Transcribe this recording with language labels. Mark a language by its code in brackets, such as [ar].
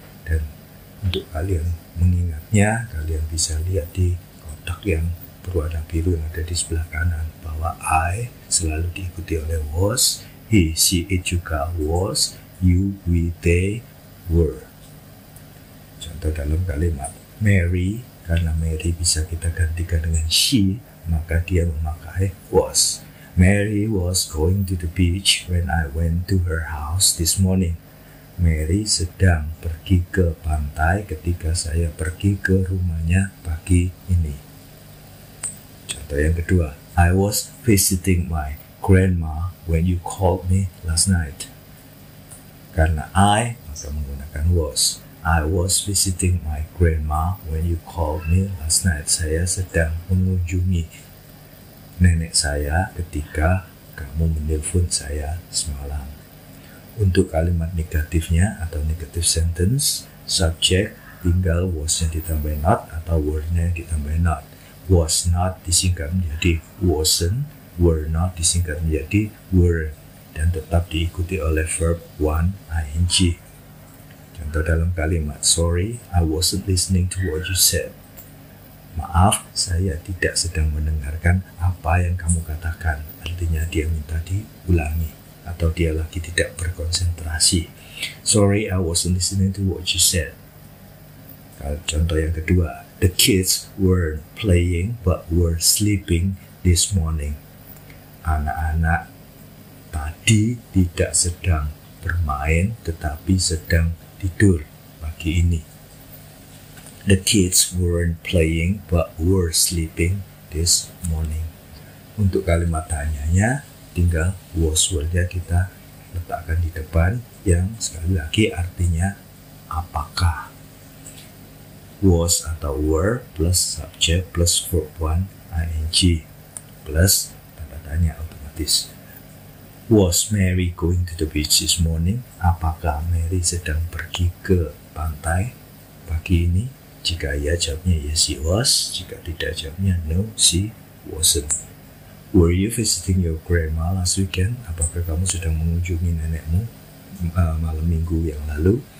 [id] Dan untuk kalian mengingatnya, kalian bisa lihat di kotak yang berwarna biru yang ada di sebelah kanan, bahwa I selalu diikuti oleh was, he, she, it juga was, you, we, they, were. Contoh dalam kalimat Mary, karena Mary bisa kita gantikan dengan she, maka dia memakai was. [en] Mary was going to the beach when I went to her house this morning. [id] Mary sedang pergi ke pantai ketika saya pergi ke rumahnya pagi ini. Contoh yang kedua, [en] I was visiting my grandma when you called me last night. [id] Karena I, maka menggunakan was. [en] I was visiting my grandma when you called me last night. [id] Saya sedang mengunjungi nenek saya ketika kamu menelpon saya semalam. Untuk kalimat negatifnya atau negative sentence, subject tinggal was-nya ditambah not atau were-nya ditambah not. Was not disingkat menjadi wasn't, were not disingkat menjadi were, dan tetap diikuti oleh verb one ing. Contoh dalam kalimat, [en] sorry, I wasn't listening to what you said. [id] Maaf, saya tidak sedang mendengarkan apa yang kamu katakan. Artinya dia minta diulangi atau dia lagi tidak berkonsentrasi. [en] Sorry, I wasn't listening to what you said. [id] Contoh yang kedua, [en] the kids weren't playing but were sleeping this morning. [id] Anak-anak tadi tidak sedang bermain tetapi sedang tidur pagi ini. [en] The kids weren't playing but were sleeping this morning. [id] Untuk kalimat tanyanya, tinggal was word-nya kita letakkan di depan, yang sekali lagi artinya apakah. Was atau were plus subject plus verb one ing plus tanda tanya otomatis. [en] Was Mary going to the beach this morning? [id] Apakah Mary sedang pergi ke pantai pagi ini? Jika ya, jawabnya [en] yes, she was. [id] Jika tidak, jawabnya [en] no, she wasn't. Were you visiting your grandma last weekend? [id] Apakah kamu sedang mengunjungi nenekmu malam minggu yang lalu?